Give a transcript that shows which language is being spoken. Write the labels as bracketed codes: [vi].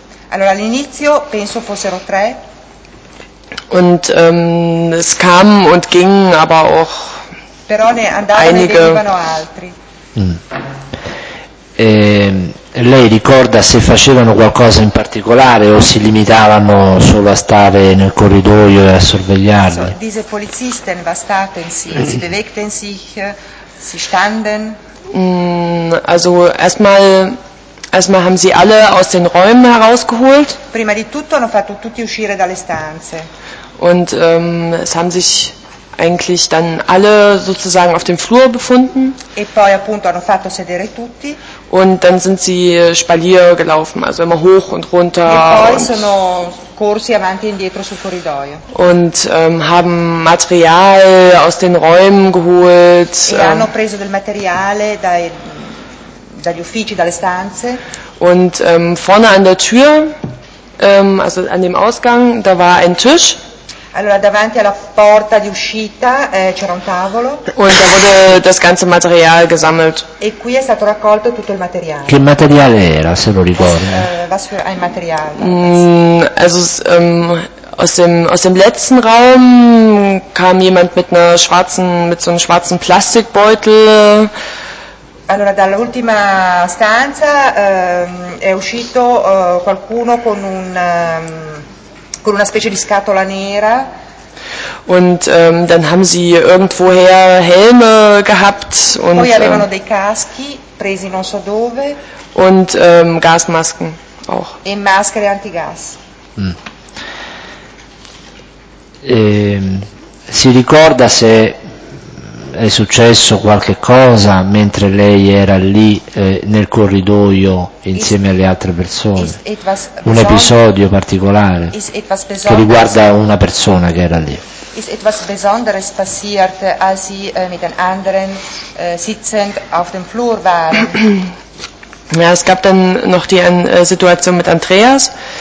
[it] Allora, all'inizio penso fossero tre. [de] Und es kamen und gingen aber auch [it] Però ne andavano e [de] einige. [it] venivano altri. Lei ricorda se facevano qualcosa in particolare o si limitavano solo a stare nel corridoio e a [de] So, [it] sorvegliarli? [de] diese Polizisten, was taten sie? Sie bewegten sich, sie standen. Also erstmal haben sie alle aus den Räumen herausgeholt. [it] Prima di tutto hanno fatto tutti uscire dalle stanze. [de] Und es haben sich eigentlich dann alle sozusagen auf dem Flur befunden. [it] E poi appunto hanno fatto sedere tutti. [de] Und dann sind sie Spalier gelaufen, also immer hoch und [it] E [de] runter [it] poi sono corsi avanti e indietro sul corridoio. [de] und haben Material aus den Räumen [it] E hanno [de] geholt. [it] preso del materiale dagli uffici, dalle stanze. [de] Und vorne an der Tür, also an dem Ausgang, da war ein Tisch. [it] Allora, davanti alla porta di uscita c'era un tavolo. [de] Und da wurde das ganze Material gesammelt. [it] E qui è stato raccolto tutto il materiale. Che materiale era, se lo ricordi? [de] Was für ein Material war das? Also aus dem letzten Raum kam jemand mit so einem schwarzen Plastikbeutel. [it] Allora, dall'ultima stanza è uscito qualcuno con una specie di scatola nera. [de] Und dann haben sie irgendwoher Helme gehabt [it] Poi avevano dei caschi presi non so dove [de] und Gasmasken auch. [it] e maschere antigas. Si ricorda se è successo qualche cosa mentre lei era lì nel corridoio insieme alle altre persone? Un episodio particolare che riguarda una persona che era lì. [de] Ist etwas Besonderes passiert, als Sie mit den anderen sitzend auf dem Flur waren? Ja, es gab dann noch die Situation mit Andreas.